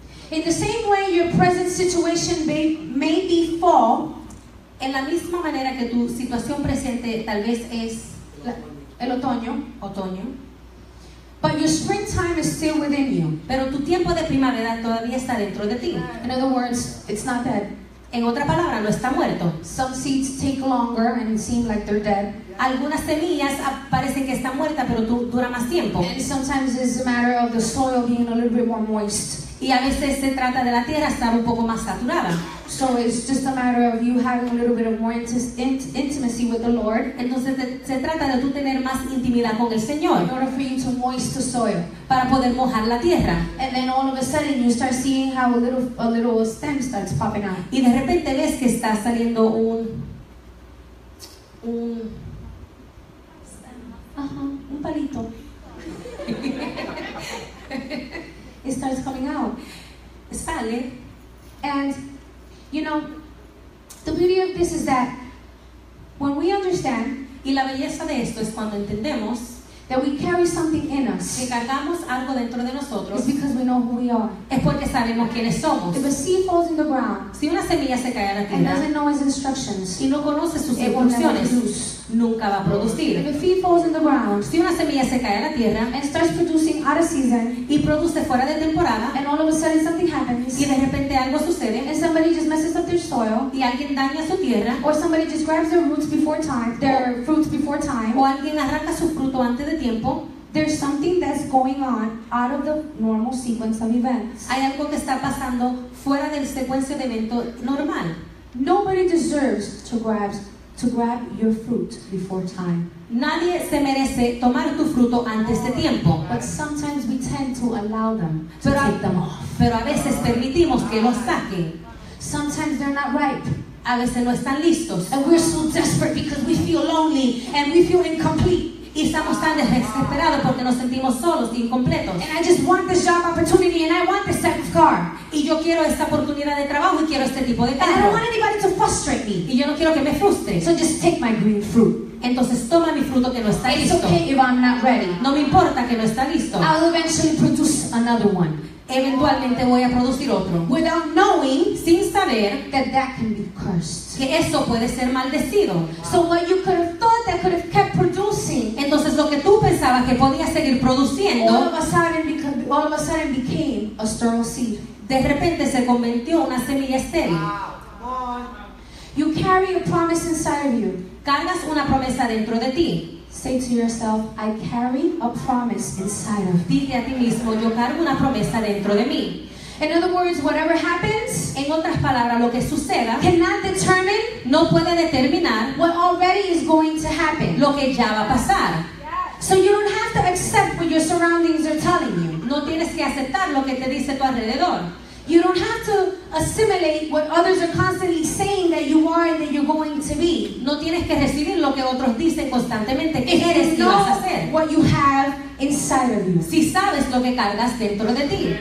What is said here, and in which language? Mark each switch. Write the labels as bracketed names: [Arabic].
[English] In the same way, your present situation may be fall. [Spanish] En la misma manera que tu situación presente tal vez es el otoño, [English] But your springtime is still within you. [Spanish] Pero tu tiempo de primavera todavía está dentro de ti. [English] In other words, it's not dead. [Spanish] En otra palabra, no está muerto. [English] Some seeds take longer and it seems like they're dead. [Spanish] Algunas semillas parecen que están muertas, pero dura más tiempo. [English] And sometimes it's a matter of the soil being a little bit more moist. [Spanish] Y a veces se trata de la tierra estar un poco más saturada. [English] So it's just a matter of you having a little bit of more intimacy with the Lord. [Spanish] Entonces se trata de tú tener más intimidad con el Señor. [English] In order for you to moist the soil. [Spanish] Para poder mojar la tierra. [English] And then all of a sudden you start seeing how a little stem starts popping out. [Spanish] Y de repente ves que está saliendo un un palito. [English] It starts coming out. [Spanish] Sale. [English] And, you know, the beauty of this is that when we understand, [Spanish] y la belleza de esto es cuando entendemos, [English] that we carry something in us, [Spanish] que cargamos algo dentro de nosotros, [English] it's because we know who we are. [Spanish] Es porque sabemos quiénes somos. [English] If a seed falls in the ground, [Spanish] si una semilla se cae a la tierra, [English] and doesn't know its instructions, [Spanish] y no conoce sus instrucciones, nunca va a producir. [English] If a seed falls in the ground, [Spanish] si una semilla se cae a la tierra, [English] and starts producing out of season, [Spanish] y produce fuera de temporada, [English] and all of a sudden something happens, [Spanish] y de repente algo sucede, [English] and somebody just messes up their soil, [Spanish] y alguien daña su tierra, [English] or somebody just grabs their roots before time, their fruits before time, [Spanish] o alguien arranca su fruto antes de tiempo, [English] there's something that's going on out of the normal sequence of events. [Spanish] Hay algo que está pasando fuera del secuencia de evento normal. [English] Nobody deserves to grab your fruit before time. [Spanish] Nadie se merece tomar tu fruto antes de tiempo. [English] But sometimes we tend to allow them to take them off. [Spanish] Pero a veces permitimos que los saquen. [English] Sometimes they're not ripe. [Spanish] A veces no están listos. [English] And we're so desperate because we feel lonely and we feel incomplete. [Spanish] Y estamos tan desesperados porque nos sentimos solos e incompletos. [English] And I just want this job opportunity and I want this type of car. [Spanish] Y yo quiero esta oportunidad de trabajo y quiero este tipo de carro. [English] And I don't want anybody to frustrate me. [Spanish] Y yo no quiero que me frustre. [English] So just take my green fruit. [Spanish] Entonces toma mi fruto que no está [English] It's [Spanish] listo. [English] It's okay if I'm not ready. [Spanish] No me importa que no está listo. [English] I'll eventually produce another one. [Spanish] Eventualmente voy a producir otro. [English] Without knowing, [Spanish] sin saber, [English] that can be cursed. [Spanish] Que eso puede ser maldecido. [English] So what you could have thought that could have kept producing. [Spanish] Entonces lo que tú pensabas que podía seguir produciendo. [English] All of a sudden became a sterile seed. [Spanish] De repente se convirtió una semilla estéril. [English] You carry a promise inside of you. [Spanish] Cargas una promesa dentro de ti. [English] Say to yourself, I carry a promise inside of me. [Spanish] Dile a ti mismo, yo cargo una promesa dentro de mí. [English] In other words, whatever happens, [Spanish] en otras palabras, lo que suceda, [English] cannot determine, [Spanish] no puede determinar, [English] what already is going to happen, [Spanish] lo que ya va a pasar. [English] So you don't have to accept what your surroundings are telling you. [Spanish] No tienes que aceptar lo que te dice tu alrededor. [English] You don't have to assimilate what others are constantly saying that you are and that you're going to be. [Spanish] No tienes que recibir lo que otros dicen constantemente que [English] if [Spanish] eres [English] you know [Spanish] y vas a ser. [English] What you have inside of you. [Spanish] Si sabes lo que cargas dentro de ti.